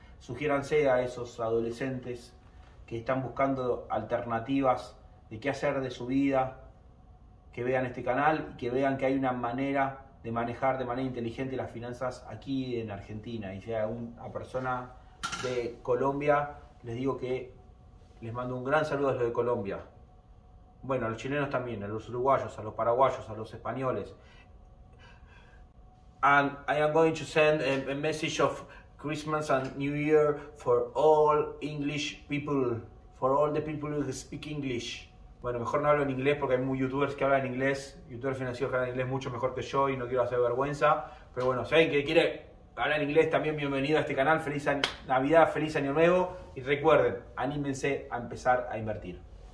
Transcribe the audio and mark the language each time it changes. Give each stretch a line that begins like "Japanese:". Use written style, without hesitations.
Spanish: Sugiéranse a esos adolescentes que están buscando alternativas de qué hacer de su vida, que vean este canal y que vean que hay una manera de manejar de manera inteligente las finanzas aquí en Argentina. Y si hay una persona de Colombia, les digo que les mando un gran saludo a los de Colombia. Bueno, a los chilenos también, a los uruguayos, a los paraguayos, a los españoles.
English: And I am going to send a message of Christmas and New Year for all English people, for all the people who speak English.
Spanish: Bueno, mejor no hablo en inglés porque hay muchos youtubers que hablan inglés, youtubers financieros que hablan inglés mucho mejor que yo y no quiero hacer vergüenza. Pero bueno, si alguien que quiere hablar inglés también, bienvenido a este canal. Feliz Navidad, feliz Año Nuevo y recuerden, anímense a empezar a invertir.